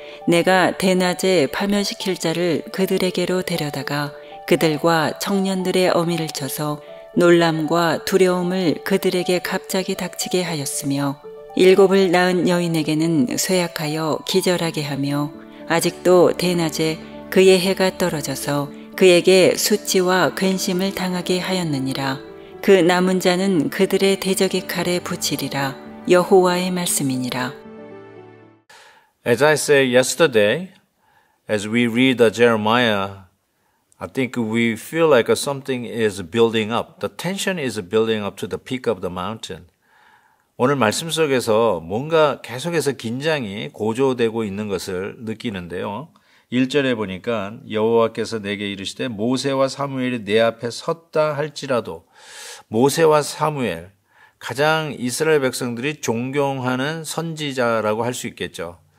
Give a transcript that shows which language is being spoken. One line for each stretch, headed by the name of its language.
Korean: 내가 대낮에 파멸시킬 자를 그들에게로 데려다가 그들과 청년들의 어미를 쳐서 놀람과 두려움을 그들에게 갑자기 닥치게 하였으며 일곱을 낳은 여인에게는 쇠약하여 기절하게 하며 아직도 대낮에 그의 해가 떨어져서 그에게 수치와 근심을 당하게 하였느니라. 그 남은 자는 그들의 대적의 칼에 붙이리라. 여호와의 말씀이니라.
English: As I said yesterday, as we read the Jeremiah, I think we feel like something is building up. The tension is building up to the peak of the mountain.
Korean: 오늘 말씀 속에서 뭔가 계속해서 긴장이 고조되고 있는 것을 느끼는데요. 1절에 보니까 여호와께서 내게 이르시되 모세와 사무엘이 내 앞에 섰다 할지라도 모세와 사무엘, 가장 이스라엘 백성들이 존경하는 선지자라고 할 수 있겠죠.